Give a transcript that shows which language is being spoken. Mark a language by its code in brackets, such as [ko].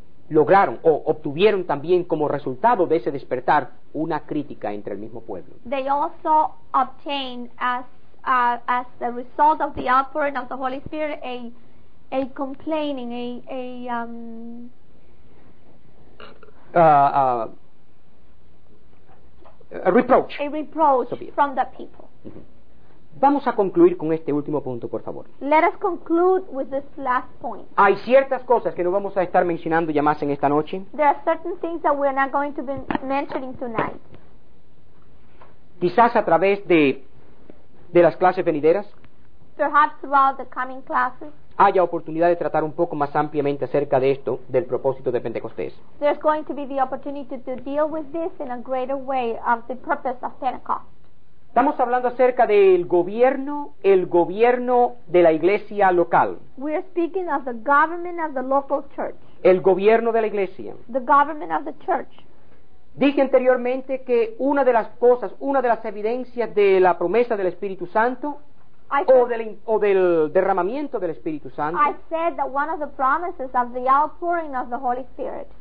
[es] Lograron o obtuvieron también como resultado de ese despertar una crítica entre el mismo pueblo. [en] They also obtained as the result of the outpouring of the Holy Spirit a complaining, a reproach from the people. [es] Vamos a concluir con este último punto, por favor. [en] Let us conclude with this last point. [es] Hay ciertas cosas que no vamos a estar mencionando ya más en esta noche. [en] There are certain things that we're not going to be mentioning tonight. [es] Quizás a través de las clases venideras. [en] Perhaps throughout the coming classes. [es] Haya oportunidad de tratar un poco más ampliamente acerca de esto, del propósito de Pentecostés. [en] There's going to be the opportunity to deal with this in a greater way of the purpose of Pentecost. [es] Estamos hablando acerca del gobierno, el gobierno de la iglesia local. [en] We are speaking of the government of the local church. [es] El gobierno de la iglesia. [en] The government of the church. [es] Dije anteriormente que una de las cosas, una de las evidencias de la promesa del Espíritu Santo del derramamiento del Espíritu Santo. [en] I said that one of the promises of the outpouring of the Holy Spirit.